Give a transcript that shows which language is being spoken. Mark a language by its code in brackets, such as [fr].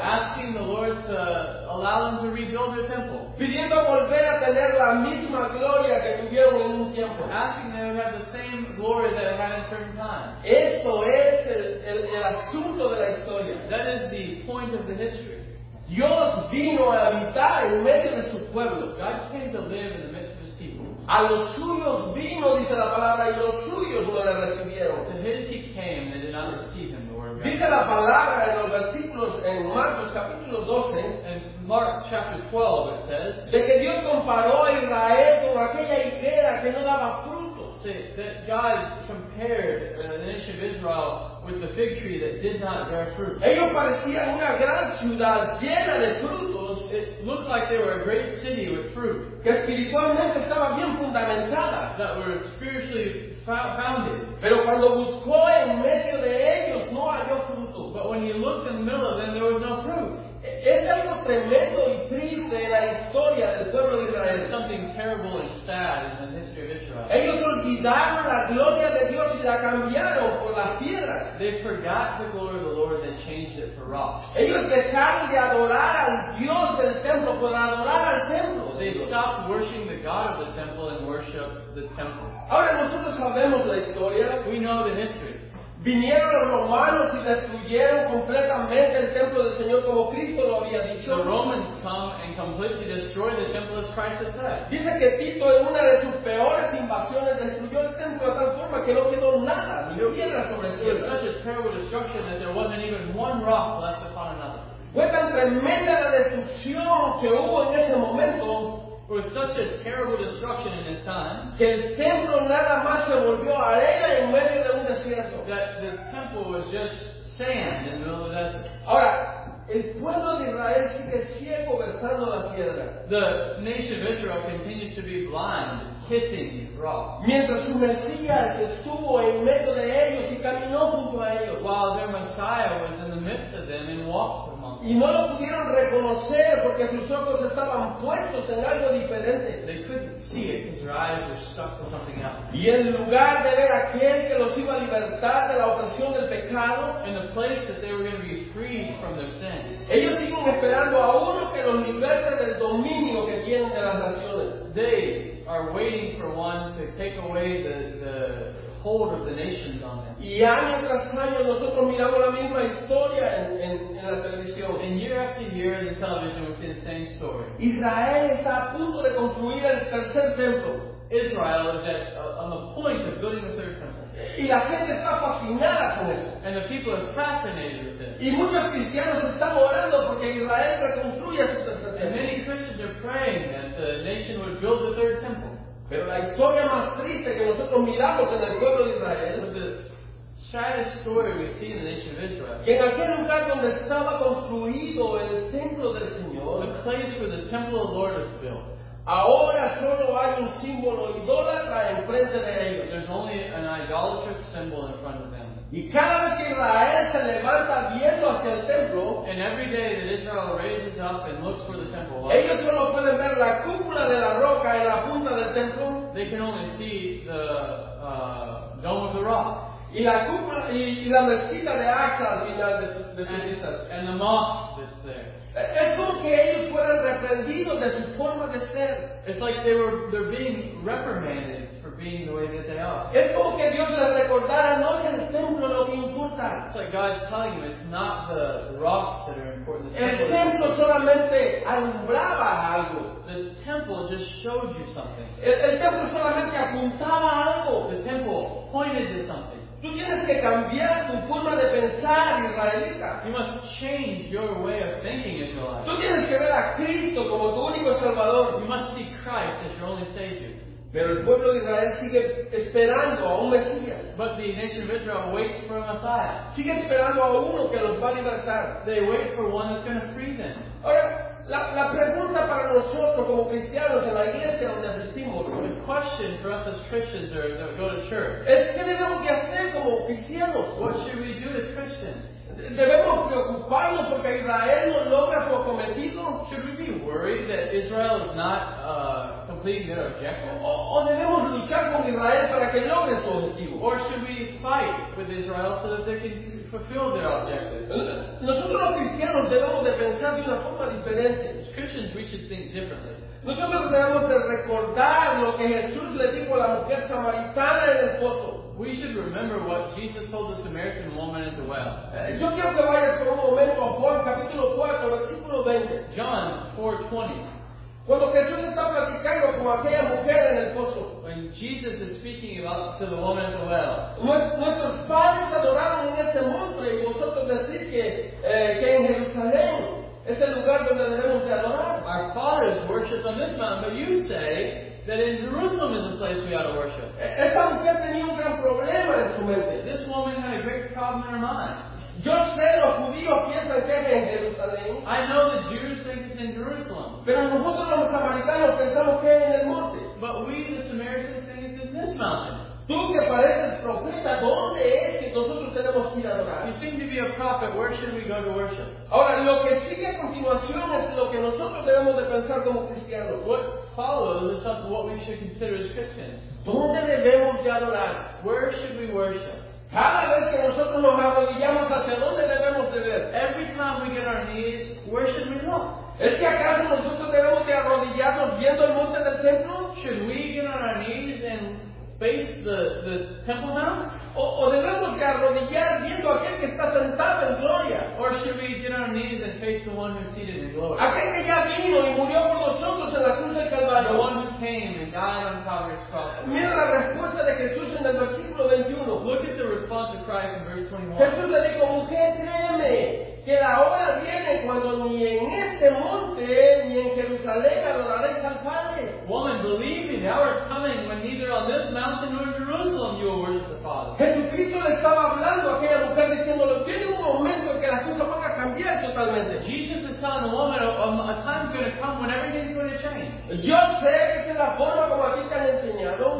[en] Asking the Lord to allow them to rebuild their temple. [es] Pidiendo volver a tener la misma gloria que tuvieron en un tiempo. [en] Asking them to have the same glory that it had at a certain time. [es] Esto es el asunto de la historia. [en] That is the point of the history. [es] Dios vino a habitar en medio de su pueblo. [en] God came to live in the midst of his people. [es] A los suyos vino, dice la palabra, y los suyos no le recibieron. [en] To his he came, they did not receive him, the word God. [es] Dice la palabra en los versículos en Marcos capítulo 12. [en] In Mark chapter 12 it says. [es] De que Dios comparó a Israel con aquella higuera que no daba fruto. [en] That God compared the nation of Israel with the fig tree that did not bear fruit. [es] Ellos parecían una gran ciudad llena de frutos. [en] It looked like they were a great city with fruit. [es] Que espiritualmente estaba bien fundamentada. [en] That were spiritually founded. [es] Pero cuando buscó en medio de ellos, no halló fruto. [en] But when he looked in the middle of them, there was no fruit. [es] Es algo tremendo y triste en la historia del pueblo de Israel. [en] It's something terrible and sad in the history of Israel. [es] Ellos olvidaron la gloria de Dios y la cambiaron por las piedras. [en] They forgot the glory of the Lord and they changed it for rocks. [es] Ellos dejaron de adorar al Dios del templo por adorar al templo. [en] They stopped worshiping the God of the temple and worshiped the temple. [es] Ahora nosotros sabemos la historia. [en] We know the history. [es] Vinieron los romanos y destruyeron completamente el templo del Señor como Cristo lo había dicho. [en] The Romans come and completely destroy the temple as Christ had said. [es] Dice que Tito en una de sus peores invasiones destruyó el templo de tal forma que no quedó nada, ni piedra sobre tierra. [en] It was such a terrible destruction that there wasn't even one rock left upon another. [es] Fue tan tremenda la destrucción que hubo en ese momento. [en] It was such a terrible destruction in his time [es] que el templo nada más se volvió arena en medio de un desierto. [en] That the temple was just sand in the middle of the desert. [es] Ahora, el pueblo de Israel sigue ciego besando la piedra. [en] The nation of Israel continues to be blind, kissing rocks. [es] Mientras su Mesías estuvo en medio de ellos y caminó junto a ellos. [en] While their Messiah was in the midst of them and walked. [es] Y no lo pudieron reconocer porque sus ojos estaban puestos en algo diferente. [en] They couldn't see it because their eyes were stuck to something else. [es] Y en lugar de ver a aquel que los iba a libertar de la opresión del pecado, [en] in the place that they were going to be freed from their sins, [es] ellos siguen esperando a uno que los liberte del dominio que tienen de las naciones. [en] They are waiting for one to take away the hold of the nations on them. [es] Y año tras año nosotros miramos la misma historia en la televisión. [en] And year after year in the television we see the same story. [es] Israel está a punto de construir el tercer templo. [en] Israel is at on the point of building the third temple. [es] Y la gente está fascinada con eso. [en] And the people are fascinated with this. [es] Y muchos cristianos están orando porque Israel reconstruya su tercer templo. [en] Many Christians are praying that the nation would build the third temple. [es] Pero la historia más triste que nosotros miramos en el pueblo de Israel [en] is the saddest story we see in the nation of Israel. [es] Que en aquel lugar donde estaba construido el templo del Señor, [en] the place where the temple of the Lord was built, [es] ahora solo hay un símbolo idólatra en frente de ellos. [en] There's only an idolatrous symbol in front of them. [es] Y cada vez que Israel se levanta viendo hacia el templo, [en] and every day that Israel raises up and looks for the temple, [es] ellos solo pueden ver la cúpula de la roca y la punta del templo. [en] They can only see the dome of the rock. [es] Y la cúpula y la mezquita de Aqsa al final de sus vistas. [en] And the mosque that's there. [es] Es como que ellos fueran reprendidos de su forma de ser. [en] It's like they're being reprimanded for being the way that they are. [es] Es como que Dios les recordara, no es el templo lo que importa. [en] It's like God's telling you, it's not the rocks that are important. [es] El templo solamente alumbraba algo. [en] The temple just showed you something. [es] El templo solamente apuntaba algo. [en] The temple pointed to something. [es] Tú tienes que cambiar tu forma de pensar, israelita. [en] You must change your way of thinking, Israelite. [es] Tú tienes que ver a Cristo como tu único salvador. [en] You must see Christ as your only savior. [es] Pero el pueblo de Israel sigue esperando a un Mesías. [en] But the nation of Israel waits for a Messiah. [es] Sigue esperando a uno que los va a libertar. [en] They wait for one that's going to free them. [es] Ahora, la pregunta para nosotros como cristianos en la iglesia donde asistimos, [en] the question for us as Christians or that go to church, [es] es qué debemos de hacer como cristianos. [en] What should we do as Christians? [es] Debemos preocuparnos porque Israel no logra su cometido. [en] Should we be worried that Israel is not completing their objective? [es] O debemos luchar con Israel para que logre su objetivo. [en] Or should we fight with Israel so that they can fulfill their objective? [es] Nosotros los cristianos debemos de pensar de una forma diferente. [en] As Christians, we should think differently. [es] Nosotros debemos de recordar lo que Jesús le dijo a la mujer samaritana en el pozo. [en] We should remember what Jesus told the Samaritan woman at the well. [es] Yo quiero que vayas por un momento a Juan capítulo 4, versículo 20. [en] John 4:20. [es] Cuando Jesús está platicando con aquella mujer en el pozo. [en] When Jesus is speaking about to the woman at the well. [es] Nuestros padres adoraron en este monte y vosotros decís que en Jerusalén es el lugar donde debemos de adorar. [en] Our fathers worshipped on this mountain, but you say that in Jerusalem is the place we ought to worship. [es] Esta mujer tenía un gran problema en su mente. [en] This woman had a great problem in her mind. [es] Yo sé los judíos piensan que es en Jerusalén. [en] I know the Jews think it's in Jerusalem. [es] Pero nosotros los samaritanos pensamos que es en el monte. [en] But we, the Samaritans, think it's in this mountain. [es] Tú que pareces profeta, ¿dónde es que nosotros tenemos que ir a adorar? [en] You seem to be a prophet, where should we go to worship? [es] Ahora, lo que sigue a continuación es lo que nosotros debemos de pensar como cristianos. [en] What follows is something what we should consider as Christians. [es] ¿Dónde debemos de adorar? [en] Where should we worship? [es] Cada vez que nosotros nos arrodillamos, ¿hacia dónde debemos de ver? [en] Every time we get on our knees, where should we look? [es] ¿Es que acaso nosotros debemos de arrodillarnos viendo el monte del templo? [en] Should we get on our knees and face the temple mount? [es] O debemos de arrodillar viendo a aquel que está sentado en gloria? [en] Or should we get on our knees and face the one who's seated in glory? [es] Aquel que ya vino y murió por nosotros en la cruz del Calvario. [en] The one who came and died on Calvary's cross. [es] Mira la respuesta de Jesús en el versículo 21. [en] Look at the response of Christ in verse 21. [es] Jesús le dijo, mujer, créeme, que la hora viene cuando ni en este monte ni en Jerusalén adoraréis al Padre. [en] Woman, believe me, the hour is coming when neither on this mountain nor in Jerusalem you will worship the Father. [es] Jesucristo le estaba hablando a aquella mujer diciéndole, viene un momento en que las cosas van a cambiar totalmente. [en] Jesus is telling the woman, a time is going to come when everything's going to change. [es] Yo sé que es la forma como a ti te han enseñado.